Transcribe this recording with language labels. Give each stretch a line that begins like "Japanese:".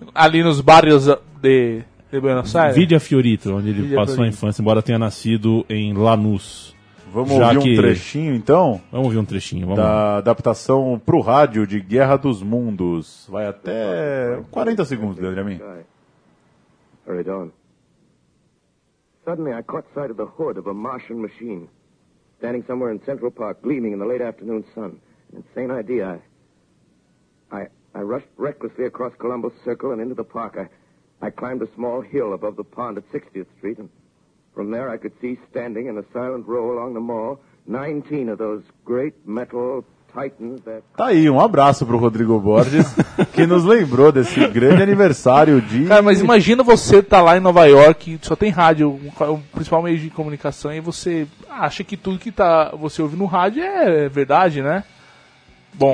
Portuguese: Ali nos bairros de... De Buenos Aires? Vidia Fiorito, onde ele passou a infância, embora tenha nascido em Lanús. Vamos ouvir um trechinho, então? Vamos ouvir um trechinho. Da adaptação para o rádio de Guerra dos Mundos. Vai até 40 segundos, Leandro Amin.
English: Hurry on. Suddenly I caught sight of the hood of a Martian machine, standing somewhere in Central Park, gleaming in the late afternoon sun. An insane idea. I rushed recklessly across Columbus Circle and into the park. I climbed a small hill above the pond at 60th Street, and from there I could see standing in a silent row along the mall 19 of those great metal titans that...
Portuguese: Tá aí, um abraço pro Rodrigo Borges, que nos lembrou desse grande aniversário de... Cara, mas imagina você tá lá em Nova York, só tem rádio, o principal meio de comunicação, e você acha que tudo que você ouve no rádio é verdade, né? Bom.